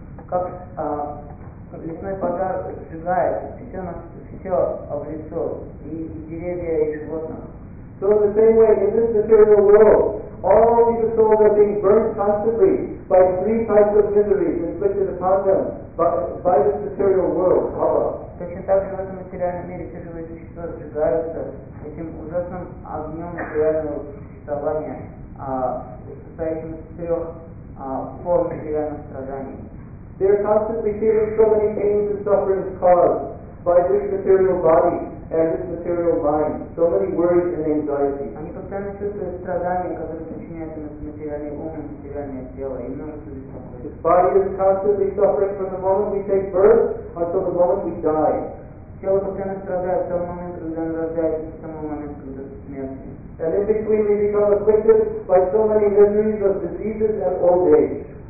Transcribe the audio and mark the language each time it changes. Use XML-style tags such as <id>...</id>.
<ru>Как лесной пожар сжигает все на все в лесу и деревья и животных.</ru> <en>So in the same way, in this material world, all these souls are being burned constantly by three types of miseries inflicted upon them by this material world.</en> <ru>Точно так же в этом материальном мире все живые существа сжигаются этим ужасным огнем материального существования, состоящим из трех форм материальных страданий.</ru> <en>They are constantly feeling so many pains and sufferings caused by this material body and this material mind, so many worries and anxiety.</en> <ru>Они постоянно чувствуют страдания, которые причиняют им этот материальный ум и материальное тело, и множество беспокойств.</ru> <en>This body is constantly suffering from the moment we take birth until the moment we die.</en> <ru>Тело постоянно страдает с того момента, когда оно рождается, с того момента, когда смерти.</ru> <en>And in between we become afflicted by so many miseries of diseases and old age.</en>